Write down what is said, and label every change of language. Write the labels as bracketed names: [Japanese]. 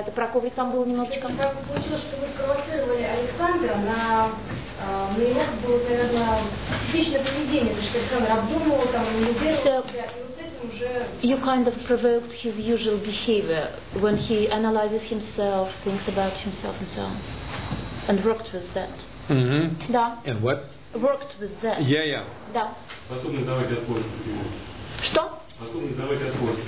[Russian] Это про коврик там было немножечко. Если так получилось, что вы спровоцировали Александра на его было, наверное, типичное поведение, то что Александр обдумывал там, анализировал. [English] You kind of provoked his usual behavior when he analyzes himself, thinks about himself, and so on, and worked with that. Mm-hmm. [Russian] Да. [English] And what? Worked with that. Yeah. [Russian] Да. Способность давать отпор.